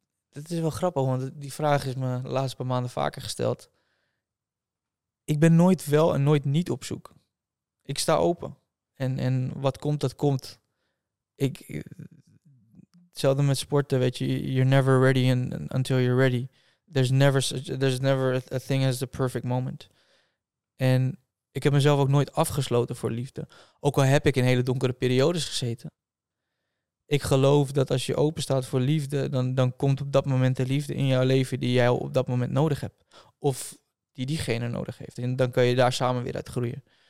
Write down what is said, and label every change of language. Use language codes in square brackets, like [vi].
[nl] Dat is wel grappig, want die vraag is me de laatste paar maanden vaker gesteld. Ik ben nooit wel en nooit niet op zoek. Ik sta open. En wat komt, dat komt. Hetzelfde met sporten, weet je. [en] You're never ready until you're ready. There's never a thing as the perfect moment. [nl] En ik heb mezelf ook nooit afgesloten voor liefde. Ook al heb ik in hele donkere periodes gezeten. Ik geloof dat als je open staat voor liefde, dan komt op dat moment de liefde in jouw leven die jij op dat moment nodig hebt. Of die diegene nodig heeft. En dan kun je daar samen weer uit groeien.